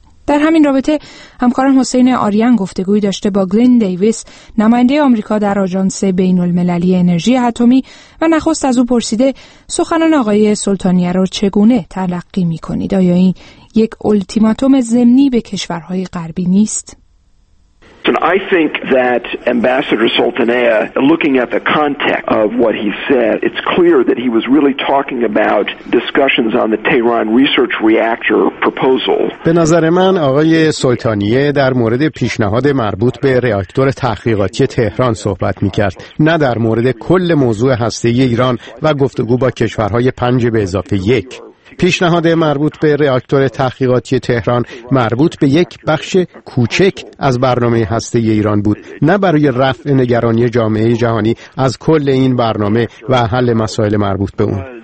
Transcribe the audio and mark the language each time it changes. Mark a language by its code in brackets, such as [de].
[fa] در همین رابطه همکارم حسین آریان گفتگویی داشته با گلن دیویس نماینده آمریکا در آژانس بین‌المللی انرژی اتمی و نخست از او پرسیده سخنان آقای سلطانی را چگونه تلقی می‌کنید؟ آیا این یک التیماتوم ضمنی به کشورهای غربی نیست؟ [en] I think that Ambassador Sultanea, looking at the context of what he said, it's clear that he was really talking about discussions on the Tehran Research Reactor proposal. [fa] به نظر من آقای سلطانیه در مورد پیشنهاد مربوط به راکتور تحقیقاتی تهران صحبت می‌کرد، نه در مورد کل موضوع هسته‌ای ایران و گفتگو با کشورهای 5 به اضافه 1. پیشنهاد مربوط به راکتور تحقیقاتی تهران مربوط به یک بخش کوچک از برنامه هسته‌ای ایران بود، نه برای رفع نگرانی جامعه جهانی از کل این برنامه و حل مسائل مربوط به اون.